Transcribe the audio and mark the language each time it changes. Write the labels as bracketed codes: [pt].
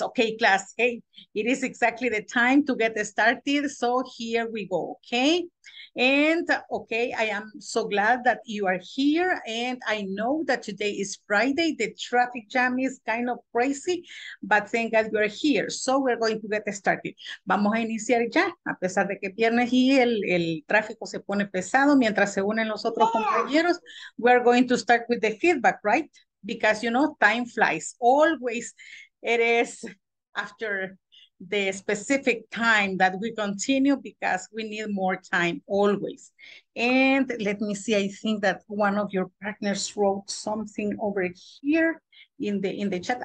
[en] Okay, class, hey, it is exactly the time to get started. So here we go, okay? And okay, I am so glad that you are here. And I know that today is Friday. The traffic jam is kind of crazy, but thank God you are here. So we're going to get started. [es] Vamos a iniciar ya, a pesar de que viernes y el tráfico se pone pesado mientras se unen los otros compañeros. [en] We're going to start with the feedback, right? Because you know, time flies. Always it is after the specific time that we continue because we need more time, always. And let me see, I think that one of your partners wrote something over here in the chat.